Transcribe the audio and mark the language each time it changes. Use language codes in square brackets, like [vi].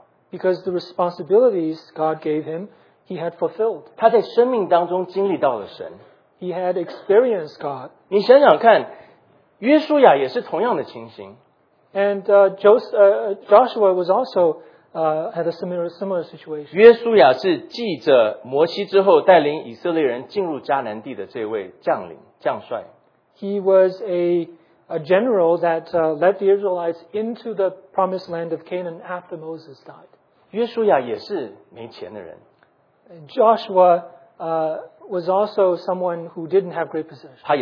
[en] because the responsibilities God gave him, he had fulfilled. [zh] 他在生命当中经历到了神, [en] he had experienced God. [zh] 你想想看, 约书亚也是同样的情形, [en] and Joshua was also had a similar situation. [zh] 约书亚是继着摩西之后, 带领以色列人进入迦南地的这位将领将帅, [en] he was a general that led the Israelites into the promised land of Canaan after Moses died. [zh] 约书亚也是没钱的人, [en] Joshua was also someone who didn't have great possessions.